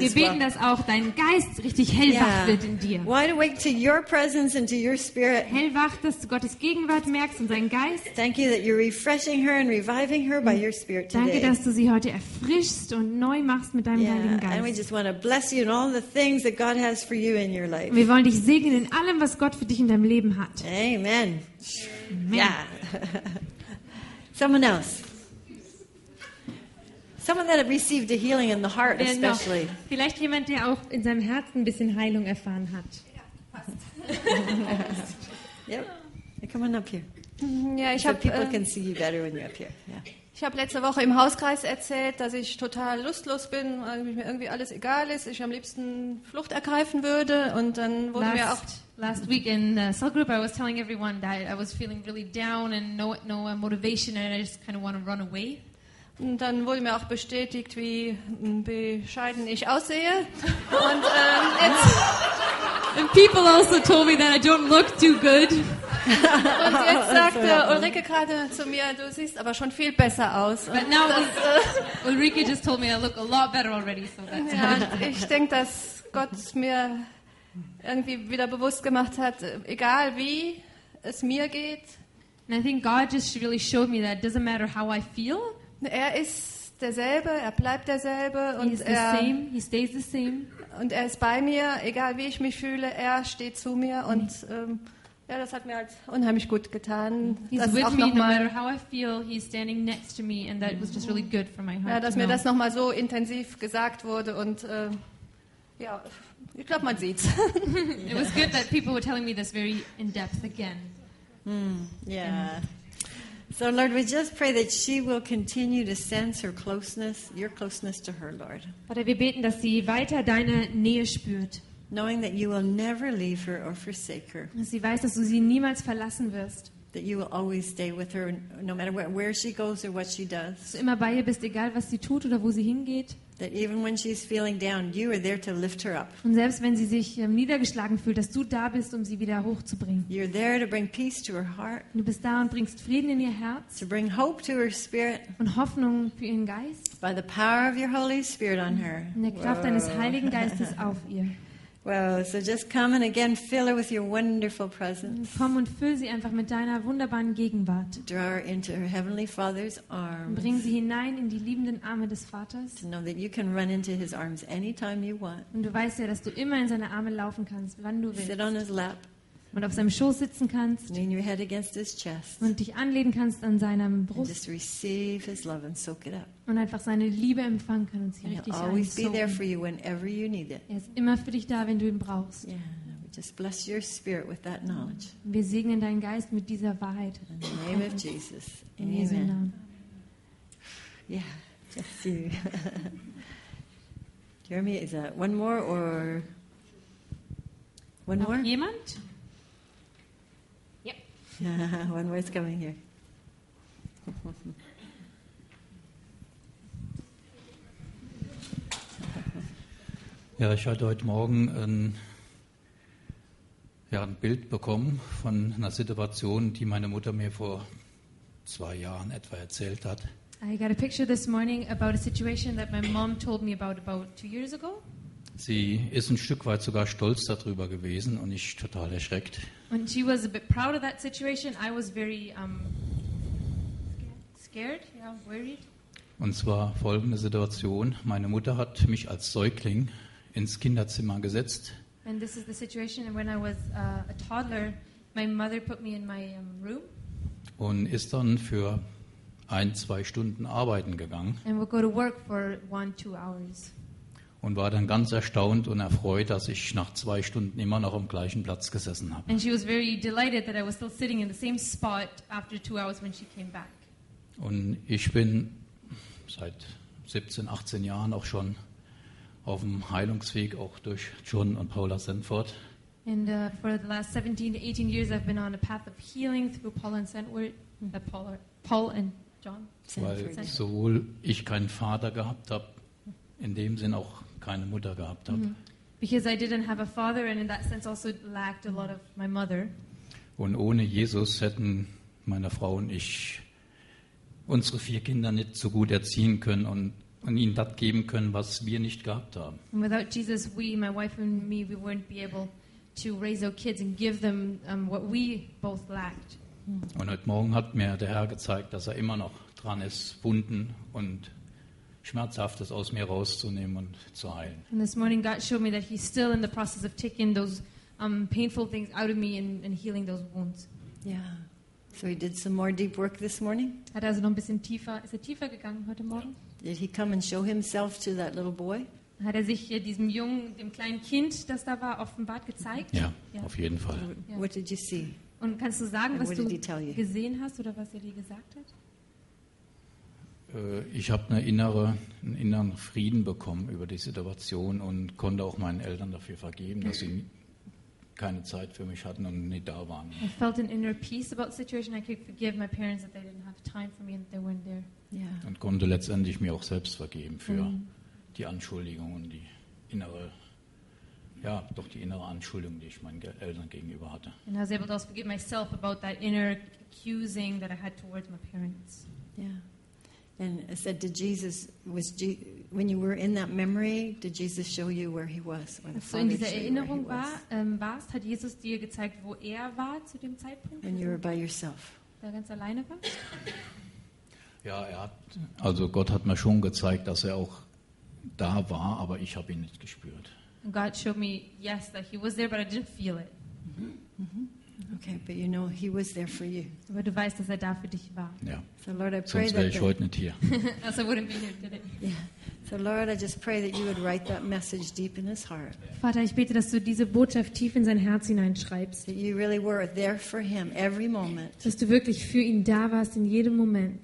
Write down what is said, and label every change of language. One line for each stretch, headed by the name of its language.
German: Wir beten, dass auch dein Geist richtig hellwach wird in dir.
English: Wide awake to your presence and to your spirit.
German: Hellwach, dass du Gottes Gegenwart merkst und seinen Geist.
English: Thank you that you're refreshing her and reviving her by your spirit today.
German: Danke, dass du sie heute erfrischst und neu machst mit deinem Heiligen Geist.
English: And we just want to bless you in all the things that God has for you in your life.
German: Wir wollen dich segnen in allem, was Gott für dich in deinem Leben hat. Amen.
English: Amen. Yeah. Someone else. Someone that had received a healing in the heart, especially.
German: Vielleicht jemand, der auch in seinem Herzen ein bisschen Heilung erfahren hat. Ja, passt.
English: Yep. Come on up here.
German: Ja, ich habe.
English: So people can see you better when you're up here.
German: Ich habe letzte Woche im Hauskreis erzählt, dass ich total lustlos bin, weil mir irgendwie alles egal ist. Ich am liebsten Flucht ergreifen würde. Und dann wurden wir auch.
English: Last week in the cell group, I was telling everyone that I was feeling really down and no motivation and I just kind of want to run away.
German: Und dann wurde mir auch bestätigt, wie bescheiden ich aussehe. Und
English: and people also told me that I don't look too good.
German: Und jetzt sagte Ulrike gerade zu mir, du siehst aber schon viel besser aus.
English: But now Ulrike just told me I look a lot better already. So that's
German: ja, ich denke, dass Gott mir irgendwie wieder bewusst gemacht hat, egal wie es mir geht.
English: And I think God just really showed me that it doesn't matter how I feel.
German: Er ist derselbe, er bleibt derselbe und
English: he stays the same.
German: Und er ist bei mir, egal wie ich mich fühle, er steht zu mir und ja, das hat mir halt unheimlich gut getan.
English: He's with me, no matter how I feel, he's standing next to me and that was just really good for my heart.
German: Ja, dass mir das nochmal so intensiv gesagt wurde und ja, ich glaube, man sieht's.
English: It was good that people were telling me this very in depth again. So Lord, we just pray that she will continue to sense her closeness, your closeness to her, Lord.
German: Vater, wir beten, dass sie weiter deine Nähe spürt.
English: Knowing that you will never leave her or forsake her.
German: Dass sie weiß, dass du sie niemals verlassen wirst.
English: That you will always stay with her, no matter where she goes or what she does.
German: Dass du immer bei ihr bist, egal was sie tut oder wo sie hingeht.
English: That even when she's feeling down, you are there to lift her up.
German: Und selbst wenn sie sich niedergeschlagen fühlt, dass du da bist, um sie wieder hochzubringen.
English: You're there to bring peace to her heart.
German: Du bist da und bringst Frieden in ihr Herz.
English: To bring hope to her spirit.
German: Und Hoffnung für ihren Geist.
English: By the power of your Holy Spirit on her.
German: In der Kraft deines Heiligen Geistes auf ihr.
English: Wow, so just come and again fill her with your wonderful presence.
German: Komm und füll sie einfach mit deiner wunderbaren Gegenwart.
English: Draw her into her heavenly Father's arms.
German: Bring sie hinein in die liebenden Arme des Vaters.
English: To know that you can run into his arms anytime you want.
German: Und du weißt ja, dass du immer in seine Arme laufen kannst, wann du willst.
English: Sit on his lap.
German: Und auf seinem Schoß sitzen kannst.
English: Lean your head against his chest.
German: Und dich anlehnen kannst an seiner Brust.
English: And just receive his love and soak it up.
German: Und einfach seine Liebe empfangen kann und sie richtig einsaugen.
English: Always be there for you whenever you need it.
German: Er ist immer für dich da, wenn du ihn brauchst.
English: Yeah, we just bless your spirit with that knowledge.
German: Wir segnen deinen Geist mit dieser Wahrheit.
English: In the name of Jesus.
German: In Jesu Namen.
English: Yeah. Yes, you. Jeremy, is that one more or one more?
German: Jemand?
English: Yep. One more is coming here.
German: Ja, ich hatte heute Morgen ein Bild bekommen von einer Situation, die meine Mutter mir vor 2 Jahren etwa erzählt hat.
English: I got a picture this morning about a situation that my mom told me about 2 years ago.
German: Sie ist ein Stück weit sogar stolz darüber gewesen und ich total erschreckt.
English: And she was a bit proud of that situation. I was very scared, worried.
German: Und zwar folgende Situation: Meine Mutter hat mich als Säugling ins Kinderzimmer gesetzt.
English: And this is the situation when I was a toddler, my mother put me in my room.
German: Und ist dann für 1-2 Stunden arbeiten gegangen.
English: And would go to work for 1-2 hours.
German: Und war dann ganz erstaunt und erfreut, dass ich nach 2 Stunden immer noch am gleichen Platz gesessen habe.
English: And she was very delighted that I was still sitting in the same spot after 2 hours when she came back.
German: Und ich bin seit 17, 18 Jahren auch schon auf dem Heilungsweg, auch durch John und Paula Sandford.
English: And for the last 17 to 18 years I've been on a path of healing through Paul and Sandford, Paul and John.
German: Weil sowohl ich keinen Vater gehabt habe, in dem Sinn auch keine Mutter gehabt habe. Mm-hmm.
English: Because I didn't have a father and in that sense also lacked a lot of my mother.
German: Und ohne Jesus hätten meine Frau und ich unsere 4 Kinder nicht so gut erziehen können und ihnen das geben können, was wir nicht gehabt haben.
English: And without Jesus, we, my wife and me, we wouldn't be able to raise our kids and give them what we both lacked.
German: Und heute Morgen hat mir der Herr gezeigt, dass er immer noch dran ist, Wunden und Schmerzhaftes aus mir rauszunehmen und zu heilen.
English: And this morning God showed me that he's still in the process of taking those painful things out of me and healing those wounds. Yeah. So he did some more deep work this morning?
German: Hat er also noch ein bisschen tiefer, ist er tiefer gegangen heute Morgen?
English: Did he come and show himself to that little boy?
German: Hat er sich hier diesem Jungen, dem kleinen Kind, das da war, offenbart gezeigt? Ja, auf jeden Fall.
English: What did you see?
German: Und kannst du sagen, was du gesehen hast oder was er dir gesagt hat? Ich habe einen inneren Frieden bekommen über die Situation und konnte auch meinen Eltern dafür vergeben, dass sie keine Zeit für mich hatten und nicht da waren.
English: I felt an inner peace about the situation. I could forgive my parents that they didn't have time for me and they weren't there. Yeah.
German: Und konnte letztendlich mir auch selbst vergeben für die Anschuldigung und die innere Anschuldigung, die ich meinen Eltern gegenüber hatte.
English: And I was able to also forgive myself about that inner accusing that I had towards my parents. Yeah. And I said to Jesus, when you were in that memory, did Jesus show you where he was?
German: So in dieser Erinnerung warst, hat Jesus dir gezeigt, wo war zu dem Zeitpunkt?
English: When you were by yourself.
German: Da ganz alleine war? Ja, Gott hat mir schon gezeigt, dass er auch da war, aber ich habe ihn nicht gespürt.
English: God showed me, yes, that he was there, but I didn't feel it. Mm-hmm. Mm-hmm. Okay, but you know, he was there for you.
German: Aber du weißt, dass er da für dich war. Ja.
English: So Lord, I pray
German: sonst wäre ich heute nicht hier.
English: Also wouldn't be here today. Yeah. So Lord, I just pray that you would write that message deep in his heart.
German: Vater, ich bete, dass du diese Botschaft tief in sein Herz hineinschreibst.
English: That you really were there for him every moment.
German: Dass du wirklich für ihn da warst in jedem Moment.